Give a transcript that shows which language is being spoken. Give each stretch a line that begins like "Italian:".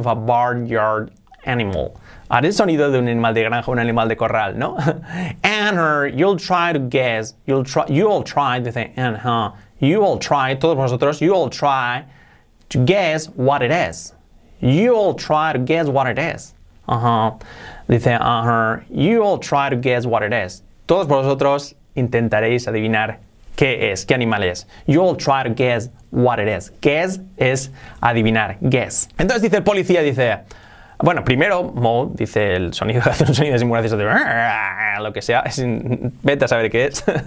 English: I'll make the sound of a barnyard animal.
Spanish: Haré el sonido de un animal de granja, un animal de corral, ¿no?
English: And you'll try to guess. You'll try to guess what it is.
Spanish: Dice,
English: you'll try to guess what it is.
Spanish: Todos vosotros intentaréis adivinar qué es, qué animal es.
English: You'll try to guess what it is. Guess
Spanish: es adivinar,
English: guess.
Spanish: Entonces dice el policía, dice, bueno, primero, Mo dice el sonido, hace un sonido de simulación, de lo que sea, vete a saber qué es.